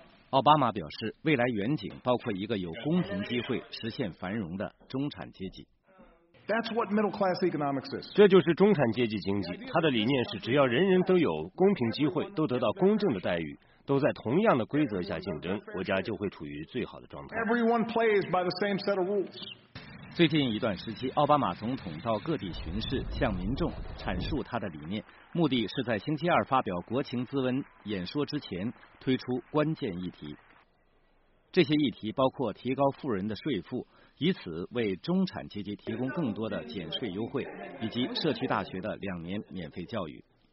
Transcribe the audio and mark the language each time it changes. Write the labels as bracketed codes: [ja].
[zh] 奥巴马表示，未来远景包括一个有公平机会实现繁荣的中产阶级。 [en] That's what middle class economics is. [zh] 这就是中产阶级经济，它的理念是只要人人都有公平机会，都得到公正的待遇，都在同样的规则下竞争，国家就会处于最好的状态。 [en] Everyone plays by the same set of rules. [zh] 最近一段时期，奥巴马总统到各地巡视，向民众阐述他的理念，目的是在星期二发表国情咨文演说之前推出关键议题。这些议题包括提高富人的税负，以此为中产阶级提供更多的减税优惠，以及社区大学的2年免费教育。